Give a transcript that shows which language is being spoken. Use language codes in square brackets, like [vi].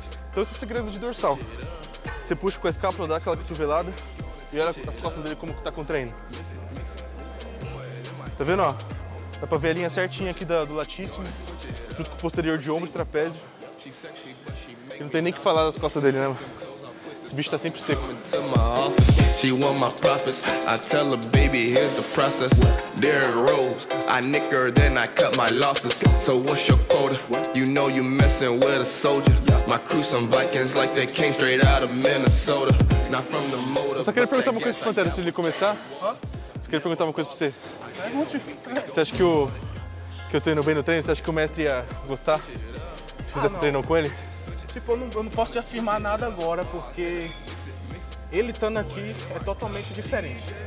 [pt] Então esse é o segredo de dorsal. Você puxa com a escápula, dá aquela cotovelada e olha as costas dele como que tá contraindo. Tá vendo, ó? Dá pra ver a linha certinha aqui do latíssimo, junto com o posterior de ombro e trapézio. E não tem nem o que falar das costas dele, né, mano? Esse bicho tá sempre seco. [en] She won my profits. I tell her, baby, here's the process. There it rolls. I nick her, then I cut my losses. So what's your quota? You know you messing with a soldier. My crew some Vikings like they came straight out of Minnesota. Not from the motor. [pt] Só queria perguntar uma coisa pro Pantera antes de começar. Só queria perguntar uma coisa pra você. Você acha que eu tô indo bem no treino? Você acha que o mestre ia gostar se fizesse treino com ele? Tipo, eu não posso te afirmar nada agora, porque ele estando aqui é totalmente diferente.